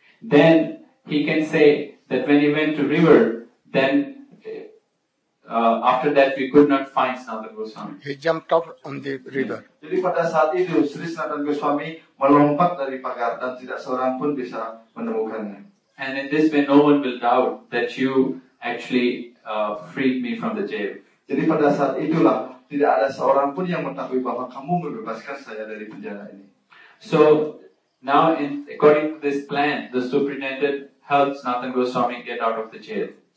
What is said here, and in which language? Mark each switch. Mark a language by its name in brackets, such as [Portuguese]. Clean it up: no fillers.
[English] Then he can say that when he went to river, then after that we could not find Sanatana Goswami. He jumped off on the river. [Indonesian] Jadi pada saat itu Sri Sanatana Goswami melompat dari pagar dan tidak seorang pun bisa menemukannya. [English] And in this way, no one will doubt that you actually freed me from the jail. [Indonesian] Jadi pada saat itulah tidak ada seorang pun yang mengetahui bahwa kamu membebaskan saya dari penjara ini. [English] So now, in according to this plan, the superintendent helps Sanatana Goswami get out of the jail.